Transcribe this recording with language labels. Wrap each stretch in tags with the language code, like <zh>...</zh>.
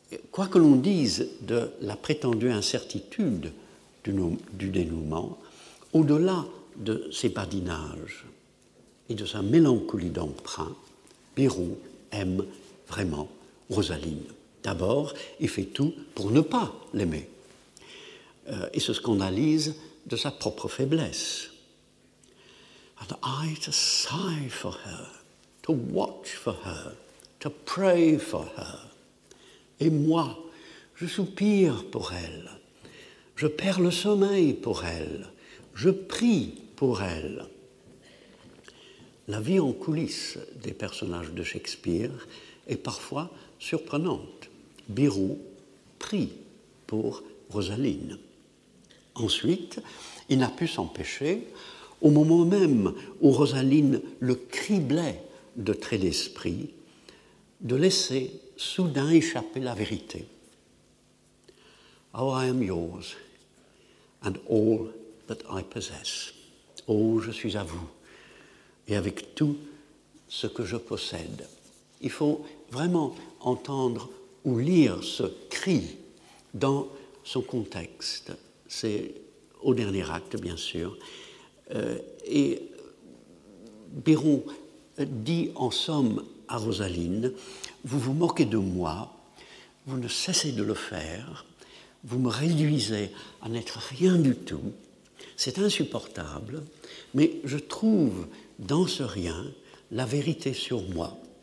<fr>Quoi que l'on dise de la prétendue incertitude du dénouement, au-delà de ses badinages et de sa mélancolie d'emprunt, Biron aime vraiment Rosaline. D'abord, il fait tout pour ne pas l'aimer et se scandalise de sa propre faiblesse.</fr> <en>And I to sigh for her, to watch for her, to pray for her.</en> <fr>Et moi, je soupire pour elle, je perds le sommeil pour elle, je prie pour elle. La vie en coulisses des personnages de Shakespeare est parfois surprenante. Biron prie pour Rosaline. Ensuite, il n'a pu s'empêcher, au moment même où Rosaline le criblait de traits d'esprit, de laisser soudain échapper la vérité.</fr> <en>Oh, I am yours, and all that I possess.</en> <fr>Oh, je suis à vous. Et avec tout ce que je possède. Il faut vraiment entendre ou lire ce cri dans son contexte. C'est au dernier acte, bien sûr. Et Biron dit en somme à Rosaline, « Vous vous moquez de moi, vous ne cessez de le faire, vous me réduisez à n'être rien du tout, c'est insupportable, mais je trouve dans ce rien, la vérité sur moi.</fr>